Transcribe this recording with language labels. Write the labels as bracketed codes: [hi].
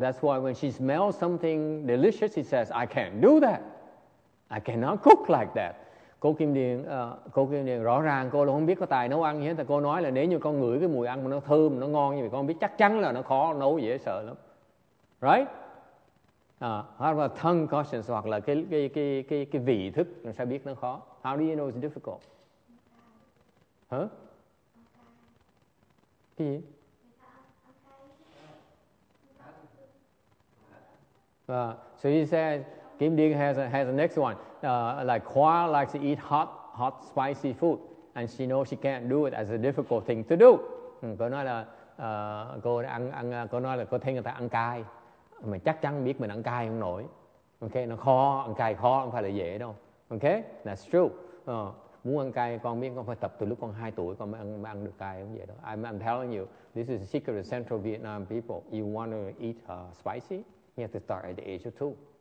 [en] That's why when she smells something delicious, she says, I can't do that. I cannot cook like that. [vi] Cô Kim Điền rõ ràng cô là không biết có tài nấu ăn gì hết. Cô nói là nếu như con ngửi cái mùi ăn mà nó thơm, nó ngon như vậy, con biết chắc chắn là nó khó nấu, dễ sợ lắm. Right? Hoặc là [en] tongue conscience, [vi] hoặc là cái vị thức, nó sẽ biết nó khó. [en] How do you know it's difficult? Huh? [vi] Cái gì? [en] So he said, Kim Dieng has a next one. Like Khoa likes to eat hot spicy food, and she knows she can't do it as a difficult thing to do. [vi] Cô nói là cô thấy người ta ăn cay, mình chắc chắn biết mình ăn cay không nổi. Okay, nó khó, ăn cay khó, không phải là dễ đâu. [en] Okay, that's true. [vi] Muốn ăn cay, con biết con phải tập từ lúc con 2 tuổi con mới ăn được cay không vậy đâu. [en] I'm telling you, this is a secret of Central Vietnam people. You want to eat spicy, you have to start at the age of 2.